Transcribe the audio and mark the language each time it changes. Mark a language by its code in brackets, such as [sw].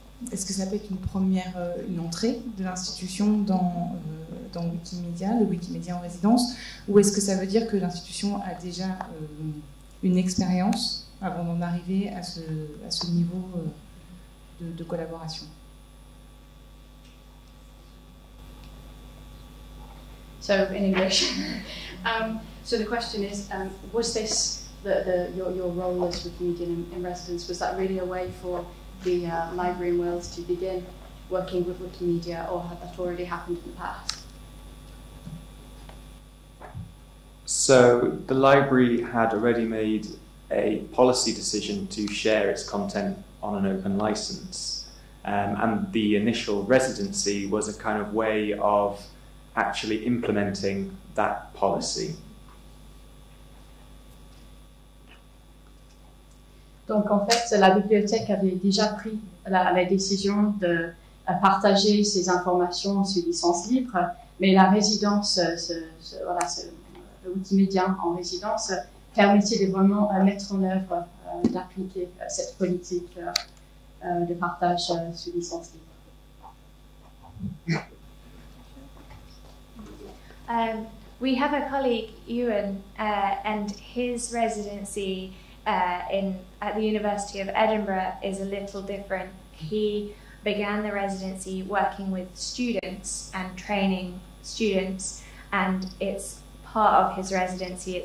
[fr] Est-ce que ça peut être une entrée de l'institution dans Wikimedia, le Wikimedia en résidence, ou est-ce que ça veut dire que l'institution a déjà une expérience avant d'en arriver à ce niveau de collaboration? [en] So in English, so the question is, was this your role as Wikimedian in residence, was that really a way for the library in Wales to begin working with Wikimedia, or had that already happened in the past? So the library had already made a policy decision to share its content on an open license, and the initial residency was a kind of way of actually implementing that policy. [fr] Donc en fait, la bibliothèque avait déjà pris la décision de partager ces informations sous licence libre, mais la résidence, le Wikimedia en résidence, permettait de vraiment mettre en œuvre, d'appliquer cette politique de partage sous licence libre. [en] We have a colleague, Ewan, and his residency at the University of Edinburgh is a little different. He began the residency working with students and training students, and it's part of his residency.